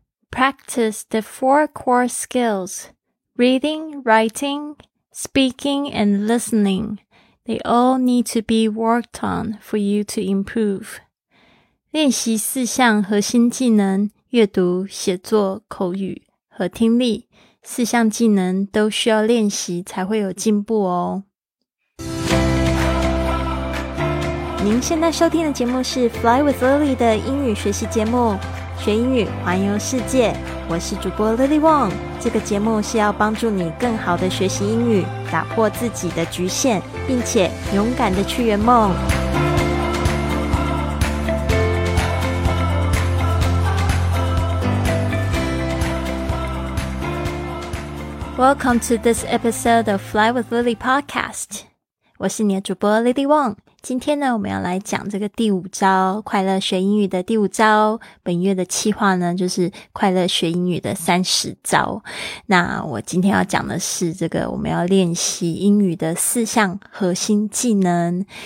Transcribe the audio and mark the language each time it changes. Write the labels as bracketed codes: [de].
[en] practice the four core skills, reading, writing, speaking, and listening. They all need to be worked on for you to improve. [zh] 练习四项核心技能，阅读、写作、口语和听力，四项技能都需要练习才会有进步哦。您现在收听的节目是 Fly with Lily 的英语学习节目，学英语环游世界，我是主播 Lily Wong。这个节目是要帮助你更好的学习英语，打破自己的局限，并且勇敢的去圆梦。 [en] Welcome to this episode of Fly with Lily podcast. [zh] 我是你的主播 Lily Wong。今天呢，我们要来讲这个第五招，快乐学英语的第五招。本月的企划呢，就是快乐学英语的三十招。那我今天要讲的是这个我们要练习英语的四项核心技能。